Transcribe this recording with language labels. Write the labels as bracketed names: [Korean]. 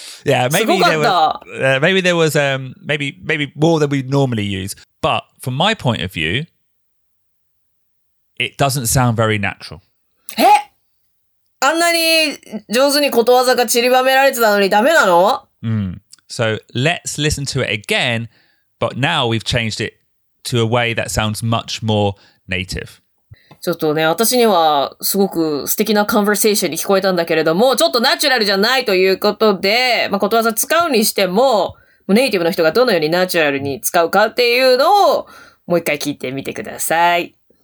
[English] Yeah, maybe more than we normally use. But from my point of view, it doesn't sound very natural. [Japanese] あんなに上手にことわざが散りばめられてたのにダメなの? Mm. [English] So let's listen to it again, but now we've changed it to a way that sounds much more native. [Japanese] ちょっとね、私にはすごく素敵なコンバーセーションに聞こえたんだけれども、ちょっとナチュラルじゃないということで、まあ、ことわざ使うにしても、ネイティブの人がどのようにナチュラルに使うかっていうのをもう一回聞いてみてください。